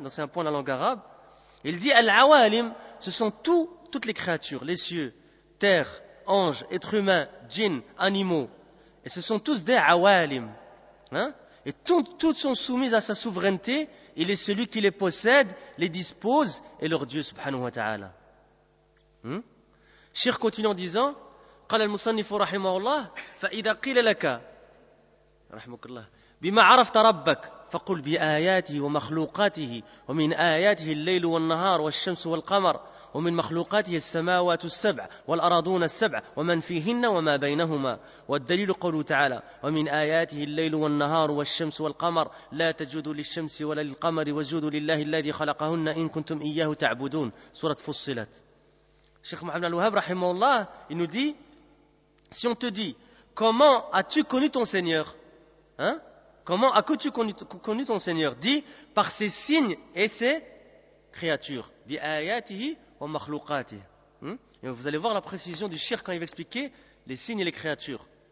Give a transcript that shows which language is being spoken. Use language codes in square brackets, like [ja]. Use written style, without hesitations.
[fr] Donc c'est un point de la langue arabe. Il dit, Al-awalim, ce sont toutes les créatures, les cieux, terre, anges, êtres humains, djinns, animaux. Et ce sont tous des awalim. Hein? Et toutes sont soumises à sa souveraineté. Il est celui qui les possède, les dispose, et leur Dieu, subhanahu wa ta'ala. Cheikh continue en disant, [ar] قال المصنف رحمه الله فإذا قيل لك رحمك الله بما عرفت ربك فقل بآياته ومخلوقاته ومن آياته الليل والنهار والشمس والقمر ومن مخلوقاته السماوات السبع والأراضون السبع ومن فيهن وما بينهما والدليل قوله تعالى ومن آياته الليل والنهار والشمس والقمر لا تجود للشمس ولا للقمر وجود لله الذي خلقهن إن كنتم إياه تعبدون سورة فصلت. [fr] Cheikh Mohamed Al-Wahhab, rahimahullah, il nous dit, si on te dit, comment as-tu connu ton Seigneur? Hein? Comment as-tu connu ton Seigneur? Dis, par ses signes et ses créatures. [ar] Bi ayatihi wa makhluqatihi. [fr] Et vous allez voir la précision du Cheikh quand il va expliquer les signes et les créatures.